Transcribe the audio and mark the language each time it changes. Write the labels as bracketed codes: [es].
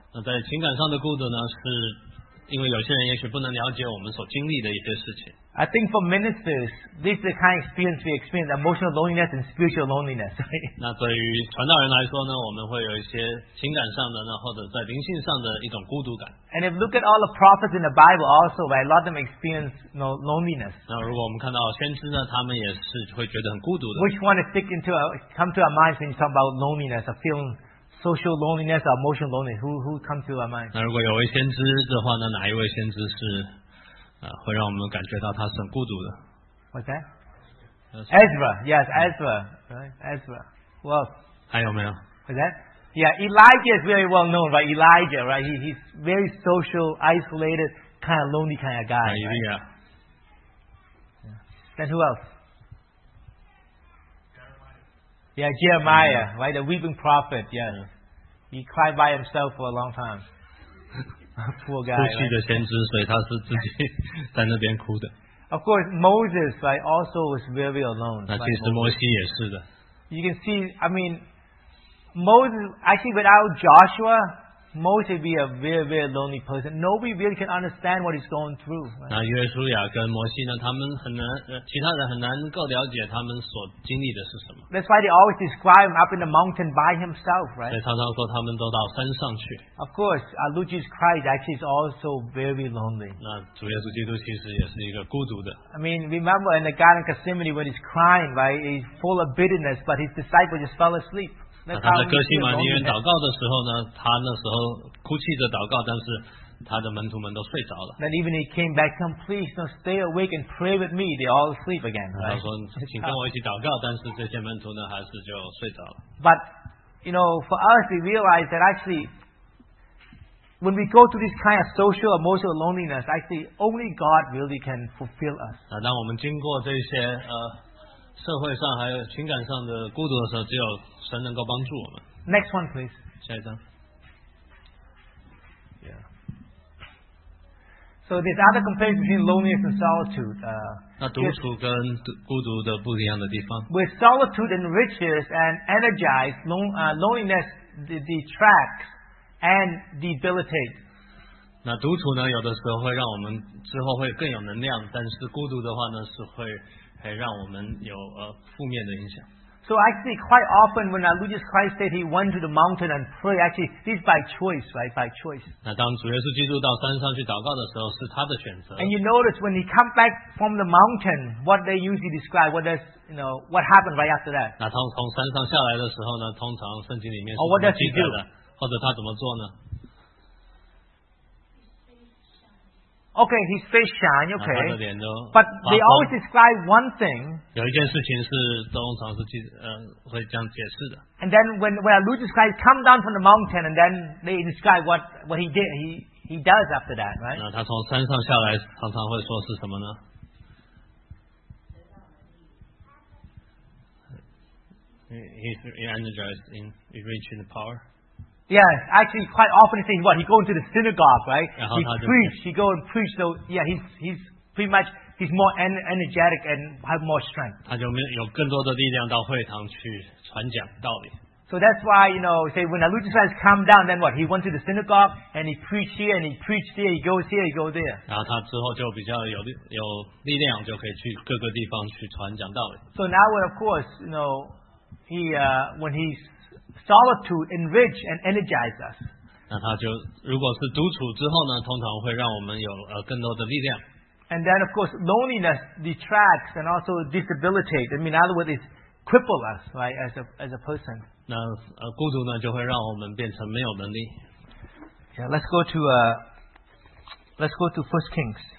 [zh] 那在情感上的孤独呢是。因为有些人也许不能了解我们所经历的一些事情。 [en] I think for ministers, this is the kind of experience we experience, emotional loneliness and spiritual loneliness. [zh] 那对于传道人来说呢，我们会有一些情感上的呢，或者在灵性上的一种孤独感。 [en] And if you look at all the prophets in the Bible also, a lot of them experience loneliness. [zh] 那如果我们看到先知呢，他们也是会觉得很孤独的。 [en] Which one stick into come to our minds when you talk about loneliness, a feeling social loneliness or emotional loneliness? Who comes to our minds? [zh] 那如果有位先知的话呢，哪一位先知是？会让我们感觉到他是很孤独的。 [en] What's that? Ezra, yes, Ezra, right? Ezra. Well, [zh] 还有没有 [en] ？What's that? Yeah, Elijah is very well known, right? Elijah, right? He's very social, isolated, kind of lonely kind of guy. Right? Yeah. Yeah. Then who else? Jeremiah. Yeah, Jeremiah, right? The weeping prophet. Yes. Yeah. He cried by himself for a long time. Poor guy, [zh] 哭泣的先知，所以他是自己在那边哭的。 [en] Of course, Moses, right, also was very alone. [zh] 那其实摩西也是的。 [en] You can see, I mean, Moses actually without Joshua, Moses would be a very, very lonely person. Nobody really can understand what he's going through. [zh] 那约书亚跟摩西呢？他们很难，其他人很难够了解他们所经历的是什么。 [en] That's why they always describe him up in the mountain by himself, right? [zh] 所以常常说他们都到山上去。 [en] Of course, Lord Jesus Christ actually is also very lonely. [zh] 那主耶稣基督其实也是一个孤独的。 [en] I mean, remember in the Garden of Gethsemane when he's crying, right? He's full of bitterness, but his disciples just fell asleep. [zh] 那他在哥西马尼园祷告的时候呢，他那时候哭泣着祷告，但是他的门徒们都睡着了。 [en] Then even he came back, come please, no, stay awake and pray with me. They all sleep again. [zh] 他说，请跟我一起祷告，但是这些门徒呢，还是就睡着了。 [en] But you know, for us, we realize that actually, when we go through this kind of social, emotional loneliness, actually, only God really can fulfill us. [zh] 那当我们经过这些社会上还有情感上的孤独的时候，只有神能够帮助我们。 [en] Next one, please. [zh] 下一张。 [en] So there's other comparison between loneliness and solitude. [zh] 那独处跟孤独的不一样的地方。 [en] With solitude enriches and energizes, loneliness detracts and debilitates. [zh] 那独处呢，有的时候会让我们之后会更有能量，但是孤独的话呢，是会。还让我们有负面的影响。 [en] So actually, quite often when our Lord Jesus Christ said he went to the mountain and prayed, actually this by choice, right? By choice. [zh] 那当主耶稣基督到山上去祷告的时候，是他的选择。 [en] And you notice when he come back from the mountain, what they usually describe, what does you know what happened right after that? [zh] 那他从山上下来的时候呢，通常圣经里面是怎么记载的，或者他怎么做呢？ [en] Okay, his face shine, okay. But they always describe one thing. [zh] 有一件事情是通常是会这样解释的。 [en] And then when our Lord Jesus Christ come down from the mountain, and then they describe what he did, he does after that, right? [zh] 那他从山上下来，常常会说是什么呢？ [en] He's energized in reaching the power. Yes, actually, quite often say what he go into the synagogue, right? He preach, he go and preach. So yeah, he's pretty much he's more energetic and have more strength. [zh] 他就有更多的力量到会堂去传讲道理。 [en] So that's why you know say when our Lord Jesus Christ come down, then what he went to the synagogue and he preach here and he preach there, he goes here, he goes there. [zh] 然后他之后就比较有力量，就可以去各个地方去传讲道理。 [en] So now, when, of course, you know when he'sSolitude enrich and energize us. [zh] 那他就如果是独处之后呢，通常会让我们有更多的力量。 [en] And then, of course, loneliness detracts and also disabilitates. I mean, in other words, it cripples us, right, as a person. [zh] 那孤独呢，就会让我们变成没有能力。 [en] Yeah, let's go to First Kings.